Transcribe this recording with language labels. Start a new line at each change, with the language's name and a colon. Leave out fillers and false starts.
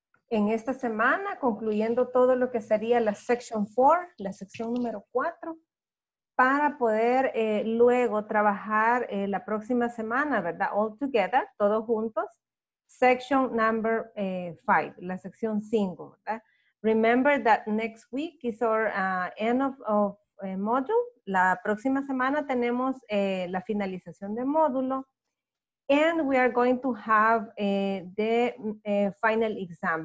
Spanish: En esta semana, concluyendo todo lo que sería la section 4, la sección número 4, para poder luego trabajar la próxima semana, ¿verdad?
English: All together,
Spanish: todos juntos,
English: section number 5,
Spanish: la sección 5, ¿verdad?
English: Remember that next week is our end of module.
Spanish: La próxima semana tenemos la finalización de módulo.
English: And we are going to have the final exam.